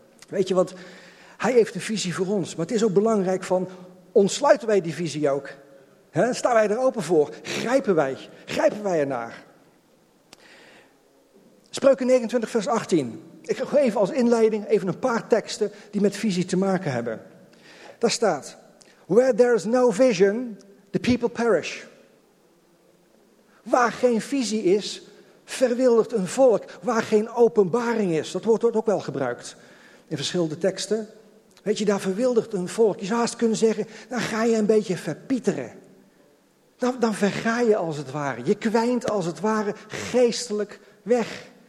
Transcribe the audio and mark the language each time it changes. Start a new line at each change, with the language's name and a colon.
Dutch: Weet je wat, hij heeft een visie voor ons. Maar het is ook belangrijk van, ontsluiten wij die visie ook? He? Staan wij er open voor? Grijpen wij ernaar? Spreuken 29 vers 18. Ik geef even als inleiding even een paar teksten die met visie te maken hebben. Daar staat:
English: where there is no vision, the people perish.
Dutch: Waar geen visie is, verwildert een volk. Waar geen openbaring is. Dat woord wordt ook wel gebruikt in verschillende teksten. Weet je, daar verwildert een volk. Je zou haast kunnen zeggen, dan ga je een beetje verpieteren. dan verga je als het ware. Je kwijnt als het ware geestelijk weg.